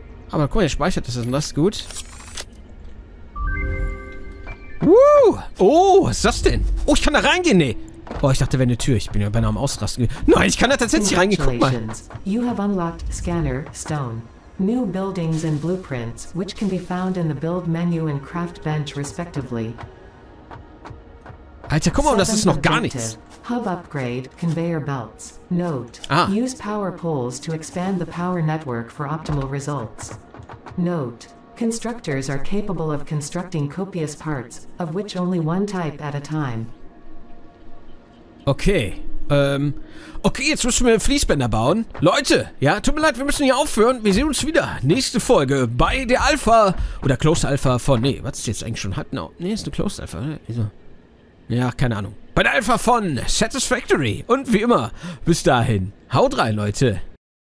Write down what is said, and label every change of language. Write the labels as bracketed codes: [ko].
[de] Aber guck mal, er speichert das. Ist das gut? Woo! Oh, was ist das denn? Oh, ich kann da reingehen, nee. Oh, ich dachte, wäre eine Tür. Ich bin ja beinahe am Ausrasten. Nein, ich kann da tatsächlich reingeguckt, Mann. [en] You have unlocked Scanner Stone. New buildings and blueprints, which can be found in the build menu and craft bench respectively. [de] Alter, guck mal, das ist noch gar nichts. [en] Hub upgrade, conveyor belts. Note, use power poles to expand the power network for optimal results. Note, constructors are capable of constructing copious parts, of which only one type at a time. [de] Okay, okay, jetzt müssen wir Fließbänder bauen. Leute, ja, tut mir leid, wir müssen hier aufhören. Wir sehen uns wieder. Nächste Folge bei der Alpha oder Closed Alpha von, nee, was ist jetzt eigentlich schon? Nee, ist eine Closed Alpha, ne? Wieso? Ja, keine Ahnung. Bei der Alpha von Satisfactory. Und wie immer, bis dahin, haut rein, Leute.